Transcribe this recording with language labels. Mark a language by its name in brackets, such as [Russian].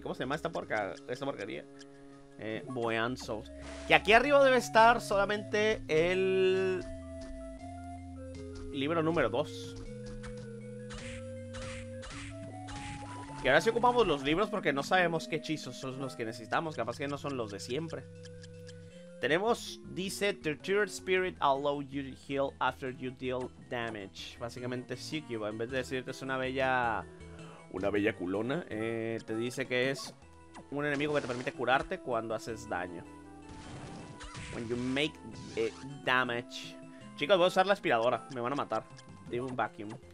[Spanish] ¿Cómo se llama esta porquería? Boean Souls. Que aquí arriba debe estar solamente el libro número 2. Que ahora sí ocupamos los libros porque no sabemos qué hechizos son los que necesitamos. Capaz que no son los de siempre. Tenemos, dice, [English] Tortured Spirit allow you to heal after you deal damage. [Spanish] Básicamente Succubo, en vez de decir que es una bella culona, te dice que es un enemigo que te permite curarte cuando haces daño. [English] When you make damage. [Spanish] Chicos, voy a usar la aspiradora, me van a matar. Demon Vacuum.